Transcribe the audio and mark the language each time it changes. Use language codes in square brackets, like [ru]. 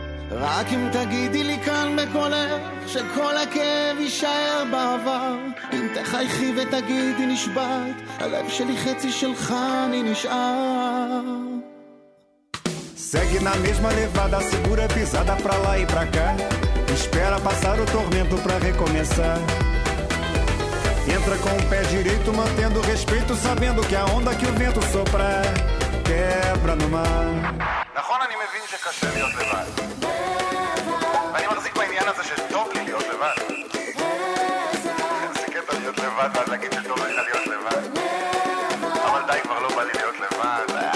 [he] רק אם תגידי לי כאן בקולך שכל הכאב יישאר בעבר. אם תחייכי ותגידי נשבעת, הלב שלי חצי שלך אני נשאר. [pt] Segue na mesma levada, segura pisada pra lá e pra cá. Espera passar o tormento pra recomeçar. Entra com o pé direito, mantendo o respeito, sabendo que a onda que o vento sopra quebra no mar. [he] נכון, אני מבין שקשה להיות לבד. ואני מחזיק בעניין הזה שטוב לי להיות לבד. זה קטע להיות לבד, ואז להגיד שטוב לי להיות לבד. אבל די, כבר לא בא לי להיות לבד.